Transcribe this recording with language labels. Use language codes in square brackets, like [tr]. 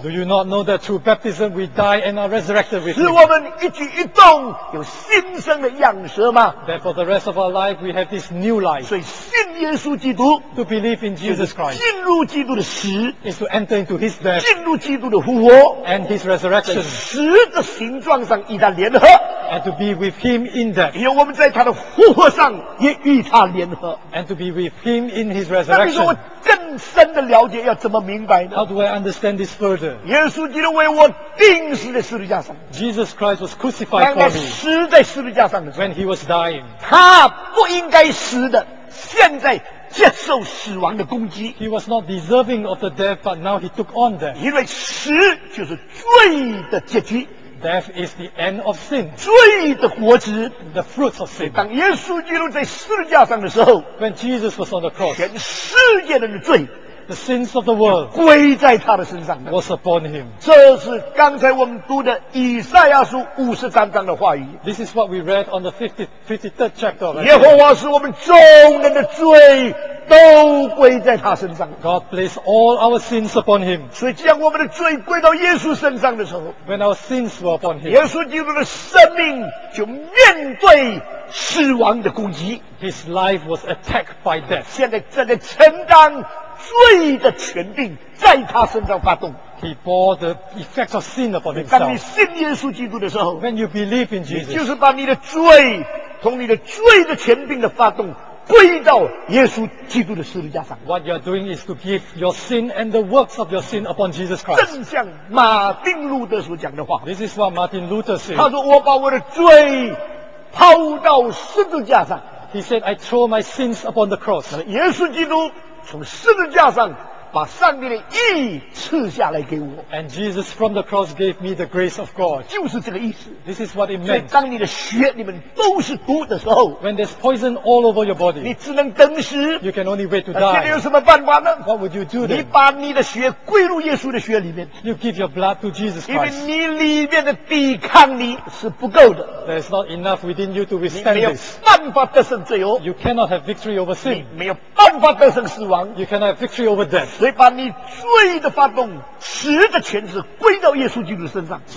[en] Do you not know that through baptism we die and are resurrected with Him [zh] 使我们一举一动有新生的样式吗 [en] Therefore the rest of our life we have this new life [zh] 所以信耶稣基督 [en] To believe in Jesus Christ [zh] 进入基督的死 [en] is to enter into his death, [zh] 进入基督的复活 [en] and his resurrection, [zh] 在死的形状上与他联合 [en] and to be with him in death, [zh] 因为我们在他的复活上也与他联合 [en] and to be with him in his resurrection. [zh] 那你说我更深的了解要怎么明白呢 [en] How do I understand this further? [zh] 耶稣基督为我钉死在十字架上 [en] Jesus Christ was crucified for me. [zh] 当他死在十字架上的时候 [en] when he was dying, [zh] 他不应该死的，现在。接受死亡的攻击 [en] He was not deserving of the death but now he took on death [zh] 因为死就是罪的结局 [en] Death is the end of sin [zh] 罪的果子 [en] The fruits of sin [zh] 当耶稣基督在十字架上的时候 [en] When Jesus was on the cross [zh] 全世界人的罪 [en] The sins of the world [zh] 归在他的身上的 [en] Was upon him [zh] 这是刚才我们读的以赛亚书五十三章的话语 [en] This is what we read on the 53rd chapter of [zh] 耶和华是我们众人的罪都归在他身上。 [en] God placed all our sins upon him. [zh] 所以，将我们的罪归到耶稣身上的时候 [en] ，When our sins were upon him， [zh] 耶稣基督的生命就面对死亡的攻击。 [en] His life was attacked by death. [zh] 现在正在承担罪的权柄在他身上发动。 [en] He bore the effects of sin upon himself. [zh] 当你信耶稣基督的时候 [en] ，When you believe in Jesus， [zh] 你就是把你的罪从你的罪的权柄的发动。归到耶稣基督的十字架上。 [en] What you are doing is to give your sin and the works of your sin upon Jesus Christ. [zh] 正像马丁路德所讲的话。 [en] This is what Martin Luther said. [zh] 他说：“我把我的罪抛到十字架上。” [en] He said, "I throw my sins upon the cross." [zh] 耶稣基督从十字架上把上帝的义赐下来给我。 [en] And Jesus from the cross gave me the grace of God. [zh] 就是这个意思。 [en] This is what it meant. [zh] 所以当你的血里面都是毒的时候 [en] ，When there's poison all over your body， [zh] 你只能等死。 [en] You can only wait to die. [zh] 那你有什么办法呢 [en] ？What would you do then？ [zh] 你把你的血归入耶稣的血里面。 [en] You give your blood to Jesus Christ. [zh] 因为你里面的抵抗力是不够的。 [en] There's not enough within you to withstand this. [zh] 你没有办法得胜罪恶。 [en] You cannot have victory over sin. [zh] 你没有办法得胜死亡。 [en] You cannot have victory over death. [zh] 所以把你罪的发动死的权势归到耶稣基督身上